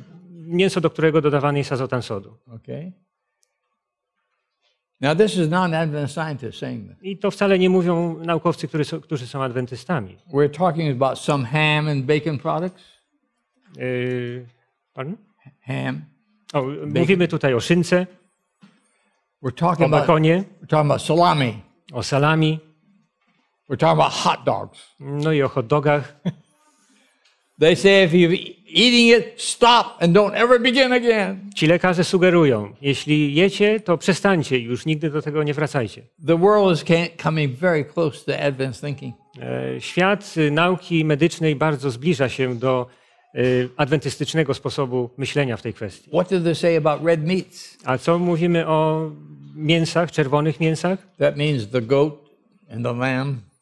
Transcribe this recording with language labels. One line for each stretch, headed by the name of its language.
Polish: Mięso, do którego dodawany jest azotan sodu.
English: Okay. Now this is not an Adventist scientist saying that.
Polish: I to wcale nie mówią naukowcy, którzy są adwentystami.
English: We're talking about some ham and bacon products. Pardon? Ham.
Polish: O, mówimy tutaj o szynce,
English: we're talking
Polish: o bakonie,
English: about, we're about salami.
Polish: O salami,
English: we're talking about hot dogs.
Polish: No i o hot dogach.
English: They say if you're eating it, stop and don't ever begin again.
Polish: Ci lekarze sugerują, jeśli jecie, to przestańcie, już nigdy do tego nie wracajcie.
English: The world is coming very close to advanced thinking.
Polish: Świat nauki medycznej bardzo zbliża się do adwentystycznego sposobu myślenia w tej kwestii.
English: What do they say about red meats?
Polish: A co mówimy o mięsach, czerwonych mięsach?
English: That means the goat and the lamb.